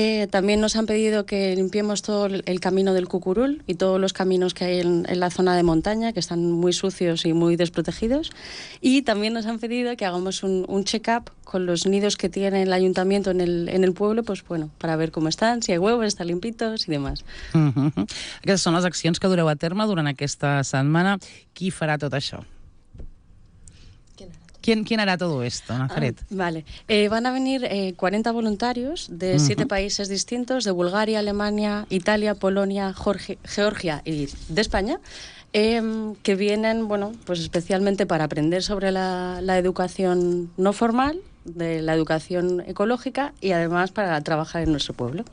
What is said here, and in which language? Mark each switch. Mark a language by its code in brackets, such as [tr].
[es] También nos han pedido que limpiemos todo el camino del Cucurul y todos los caminos que hay en la zona de montaña, que están muy sucios y muy desprotegidos. Y también nos han pedido que hagamos un check-up con los nidos que tiene el ayuntamiento en el pueblo, pues bueno, para ver cómo están, si hay huevos, están limpitos y demás. Uh-huh. [ca] Aquestes són les accions que dureu a terme durant aquesta setmana. Qui farà tot això? [es] ¿Quién hará todo esto, Nazaret? Vale. Van a venir 40 voluntarios de 7 uh-huh. países distintos, de Bulgaria, Alemania, Italia, Polonia, Georgia y de España, que vienen, bueno, pues especialmente para aprender sobre la educación no formal, de la educación ecológica y además para trabajar en nuestro pueblo.